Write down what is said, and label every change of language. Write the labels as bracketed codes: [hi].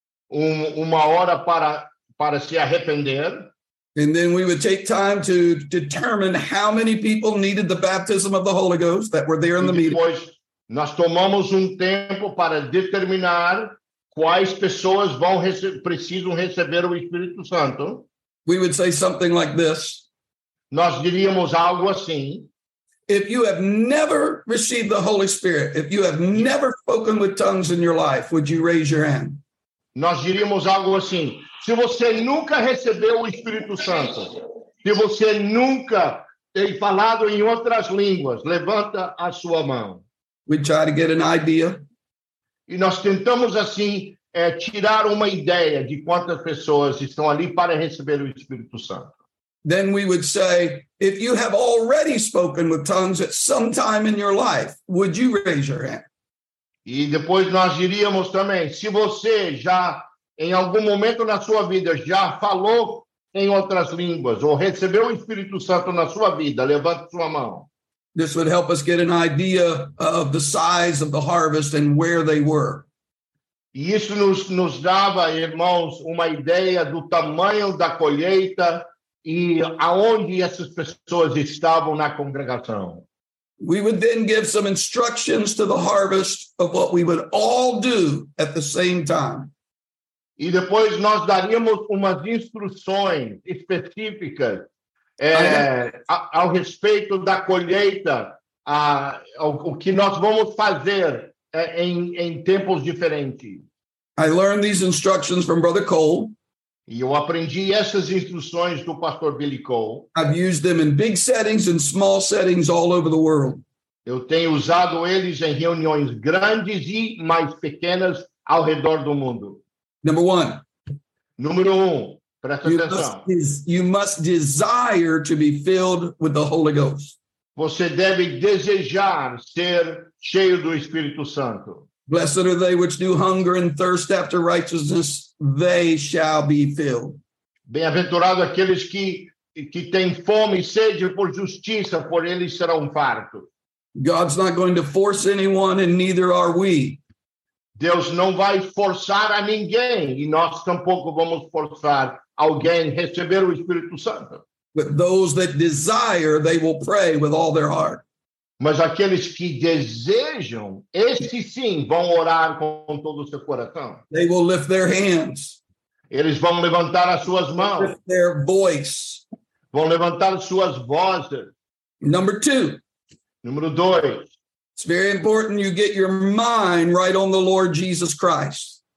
[pt] Uma hora para se arrepender. [en] And then we would take time to determine how many people needed the baptism of the Holy Ghost that were there in the meeting. [pt] Depois, nós tomamos tempo para determinar quais pessoas precisam receber o Espírito Santo. [en] We would say something like this. [pt] Nós diríamos algo assim. [en] If you have never received the Holy Spirit, if you have never spoken with tongues in your life, would you raise your hand? [pt] Nós diríamos algo assim. Se você nunca recebeu o Espírito Santo, se você nunca tem falado em outras línguas, levanta a sua mão. [en] We try to get an idea. [pt] E nós tentamos assim tirar uma ideia de quantas pessoas estão ali para receber o Espírito Santo. [en] Then we would say, if you have already spoken with tongues at some time in your life, would you raise your hand? [pt] E depois nós diríamos também, se você já, em algum momento na sua vida, já falou em outras línguas ou recebeu o Espírito Santo na sua vida, levante sua mão. [en] this would help us get an idea of the size of the harvest and where they were. [pt] E isso nos dava, irmãos, uma ideia do tamanho da colheita e aonde essas pessoas estavam na congregação. [en] We would then give some instructions to the harvest of what we would all do at the same time. [pt] E depois nós daríamos umas instruções específicas ao respeito da colheita, o que nós vamos fazer em tempos diferentes. [en] I learned these instructions from Brother Cole. [pt] E eu aprendi essas instruções do Pastor Billy Cole. [en] I've used them in big settings and small settings all over the world. [pt] Eu tenho usado eles em reuniões grandes e mais pequenas ao redor do mundo. [en] Number one. [pt] Número um. Presta atenção. [en] You must desire to be filled with the Holy Ghost. [pt] Você deve desejar ser cheio do Espírito Santo. [en] Blessed are they which do hunger and thirst after righteousness, they shall be filled. [pt] Bem-aventurado aqueles que têm fome e sede por justiça, por eles serão fartos. [en] God's not going to force anyone, and neither are we. [pt] Deus não vai forçar a ninguém, e nós tampouco vamos forçar alguém a receber o Espírito Santo. [en] But those that desire, they will pray with all their heart. [pt] Mas aqueles que desejam, esses sim vão orar com todo o seu coração. [en] They will lift their hands. [pt] Eles vão levantar as suas mãos. [en] Lift their voice. [pt] Vão levantar suas vozes. [en] Number two. [pt] Número dois. [en] It's very important you get your mind right on the Lord Jesus Christ.